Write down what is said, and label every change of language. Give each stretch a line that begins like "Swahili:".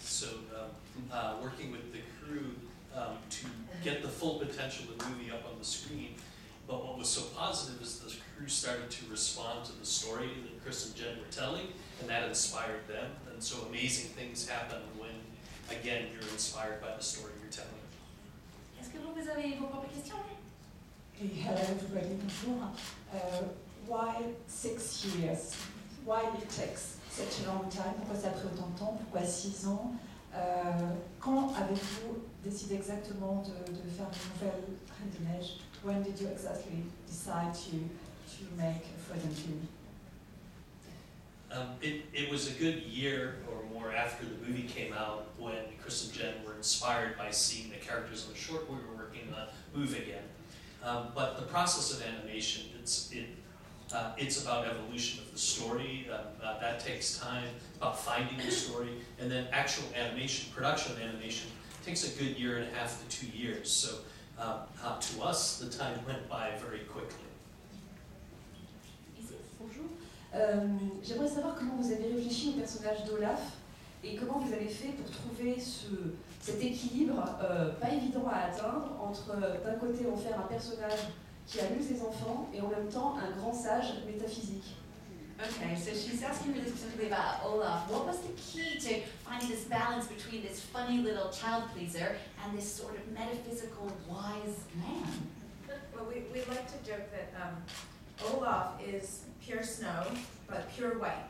English: So working with the crew to get the full potential of the movie up on the screen. But what was so positive is the crew started to respond to the story that Chris and Jen were telling, and that inspired them. And so amazing things happen when, again, you're inspired by the story you're telling.
French: Est-ce que vous avez vos propres questions?
English: Hey, hello, everybody.
French: Bonjour.
English: Why 6 years? Why it takes such a long time?
French: Pourquoi ça a pris autant de temps? Pourquoi 6 ans? Quand avez-vous décidé exactement de faire une nouvelle Reine de Neige?
English: When did you exactly decide to make a Frozen 2? It was a good year or more after the movie came out when Chris and Jen were inspired by seeing the characters on the short we were working on move again. But the process of animation, it's about evolution of the story. That takes time, about finding the story. And then actual animation, production of animation, takes a good year and a half to 2 years. So. To us, the time went by very quickly.
French: Bonjour. J'aimerais savoir comment vous avez réfléchi au personnage d'Olaf et comment vous avez fait pour trouver cet équilibre pas évident à atteindre entre d'un côté en faire un personnage qui a lu ses enfants et en même temps un grand sage métaphysique.
English: Okay, so she's asking really specifically about Olaf. What was the key to finding this balance between this funny little child pleaser and this sort of metaphysical wise man? Well, we like to joke that Olaf is pure snow, but pure white.